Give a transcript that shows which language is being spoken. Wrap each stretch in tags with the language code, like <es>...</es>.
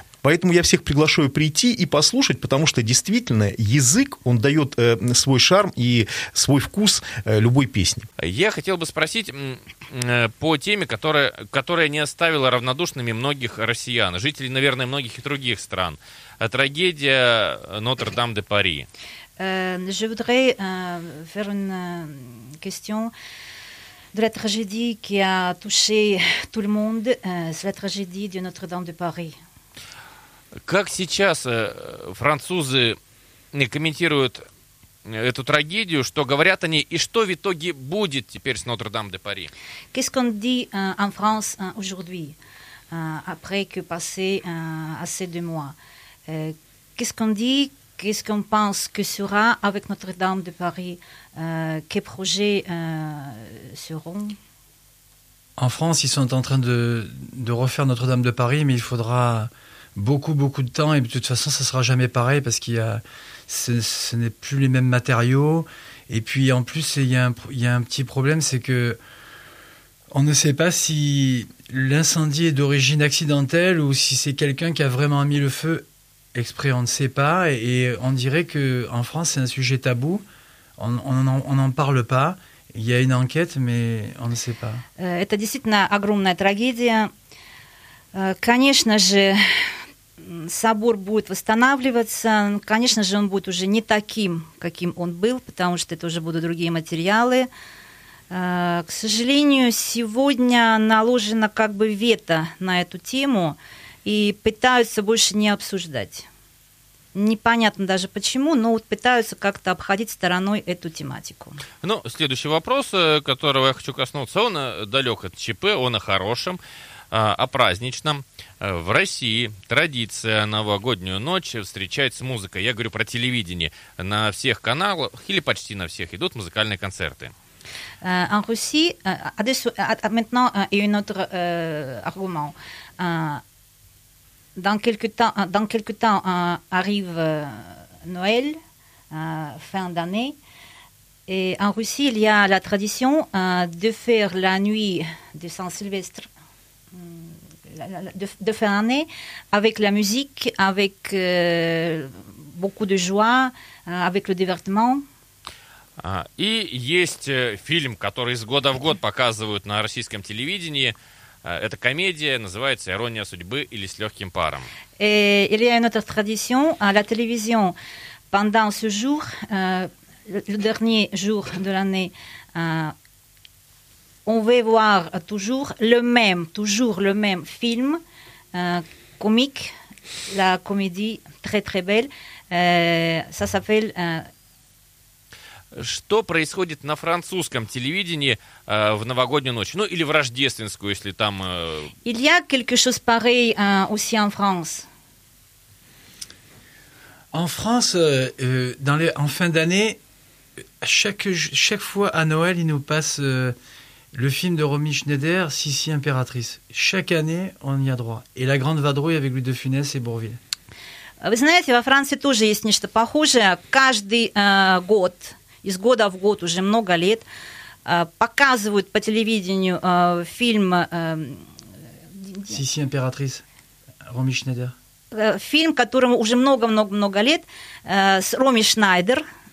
<ru>Поэтому я всех приглашаю прийти и послушать, потому что действительно язык, он дает свой шарм и свой вкус любой песни. Я хотел бы спросить по теме, которая не оставила равнодушными многих россиян, жителей, наверное, многих и других стран. Трагедия Нотр-Дам-де-Пари.</ru> <fr>Je voudrais faire une question de la tragédie qui a touché tout le monde, c'est la tragédie de Notre-Dame-de-Paris.</fr> <ru>Как сейчас французы комментируют эту трагедию, что говорят они, и что в итоге будет теперь с Нотр-Дам-де-Пари?</ru> <fr>Qu'est-ce qu'on dit en France aujourd'hui, après que passé assez de mois? Qu'est-ce qu'on dit, qu'est-ce qu'on pense que sera avec Notre-Dame-de-Paris? Quels projets seront? En France, ils sont en train de refaire Notre-Dame-de-Paris, mais il faudra beaucoup, beaucoup de temps. Et de toute façon, ça ne sera jamais pareil parce qu'il y a, ce n'est plus les mêmes matériaux. Et puis, en plus, il y a un petit problème, c'est que on ne sait pas si l'incendie est d'origine accidentelle ou si c'est quelqu'un qui a vraiment mis le feu exprès. On ne sait pas. Et on dirait qu'en France, c'est un sujet tabou. On n'en parle pas. Il y a une enquête, mais on ne sait pas.</fr> <ru>Это действительно огромная трагедия. Конечно же, собор будет восстанавливаться. Конечно же, он будет уже не таким, каким он был, потому что это уже будут другие материалы. К сожалению, сегодня наложено как бы вето на эту тему и пытаются больше не обсуждать. Непонятно даже почему, но вот пытаются как-то обходить стороной эту тематику. Ну, следующий вопрос, которого я хочу коснуться, он далек от ЧП, он о хорошем, о праздничном. В России традиция новогоднюю ночь встречать с музыкой. Я говорю про телевидение. На всех каналах или почти на всех идут музыкальные концерты.</ru> <fr>En Russie, maintenant, il y a un autre argument. Dans quelques temps arrive Noël, fin d'année. Et en Russie, il y a la tradition de faire la nuit de Saint-Sylvestre, de fin d'année, avec la musique, avec beaucoup de joie, avec le divertissement.</fr> <ru>И есть фильм, который из года в год показывают на российском телевидении. Эта комедия называется «Ирония судьбы» или «С легким паром».</ru> <fr>Il y a une autre tradition à la télévision pendant ce jour, le dernier jour de l'année, on va voir toujours le même film comique, la comédie très très belle. Ça s'appelle.</fr> <ru>Что происходит на французском телевидении в новогоднюю ночь? Ну, или в рождественскую, если там...</ru> <fr>Il y a quelque chose pareil aussi en France. En France, en fin d'année, chaque fois à Noël, ils nous passent le film de Romy Schneider, Sissi Impératrice. Chaque année, on y a droit. Et la grande vadrouille avec Louis de Funès et Bourville. Vous savez,</fr> <ru>во Франции тоже есть нечто похожее. Каждый год... из года в год уже много лет, показывают по телевидению фильм... «Сиси, императрис», Роми Шнайдер. Фильм, которому уже много-много-много лет, с Роми Шнайдер,</ru>